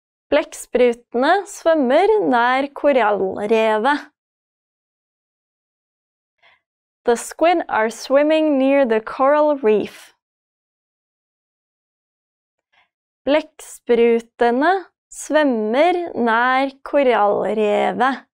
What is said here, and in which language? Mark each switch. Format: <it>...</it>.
<no>Blekksprutene svømmer nær korallrevet.</no> <en>The squid are swimming near the coral reef.</en> <no>Blekksprutene svømmer nær korallrevet.</no>